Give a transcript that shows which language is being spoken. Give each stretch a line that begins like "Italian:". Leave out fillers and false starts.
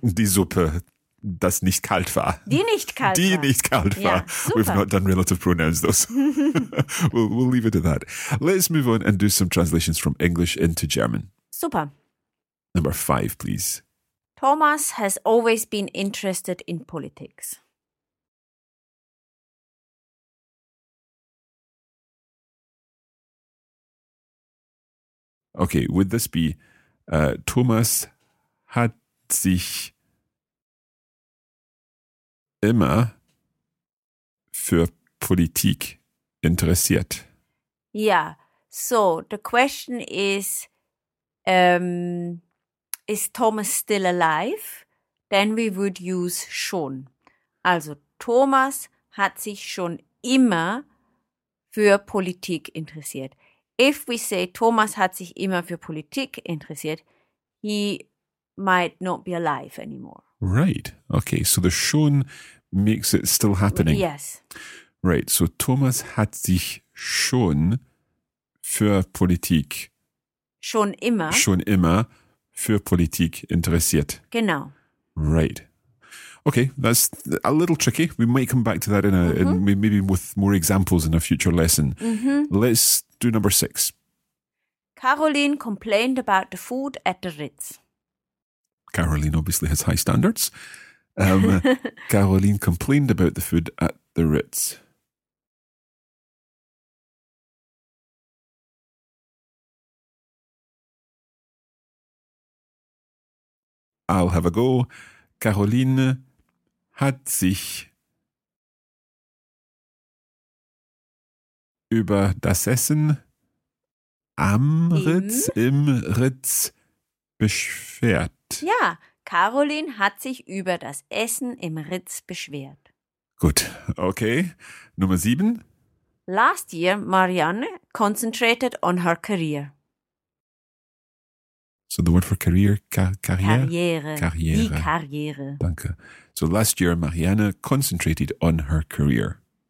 German: Die Suppe, das nicht kalt war. Die nicht kalt die war. Die nicht kalt war.
English: Yeah, super. We've not done relative pronouns though, so we'll leave it at that. Let's move on and do some translations from English into German. Super. Number 5, please. Thomas has always been interested in politics. Okay, would this be
German: Thomas hat sich immer für Politik interessiert?
English: Yeah, so the question is, is Thomas still alive? Then we would use schon.
German: Also, Thomas hat sich schon immer für Politik interessiert.
English: If we say
German: Thomas hat sich immer für Politik interessiert,
English: he might not be alive anymore. Right. Okay, so the schon makes it still happening. Yes. Right, so
German: Thomas hat sich schon für Politik. Schon immer. Schon immer. Für Politik interessiert. Genau.
English: Right. Okay, that's a little tricky. We might come back to that maybe with more examples in a future lesson. Mm-hmm. Let's do number 6. Caroline complained about the food at the Ritz. Caroline obviously has high standards. Caroline complained about the food at the Ritz. I'll have a go.
German: Caroline hat sich über das Essen am Ritz, im Ritz beschwert. Ja, Caroline hat sich über das Essen im Ritz beschwert. Gut, okay. Nummer 7.
English: Last year, Marianne concentrated on her career. So the word for career, Karriere.
German: Karriere. Die Karriere. Danke.
English: So last year, Marianne concentrated on her career.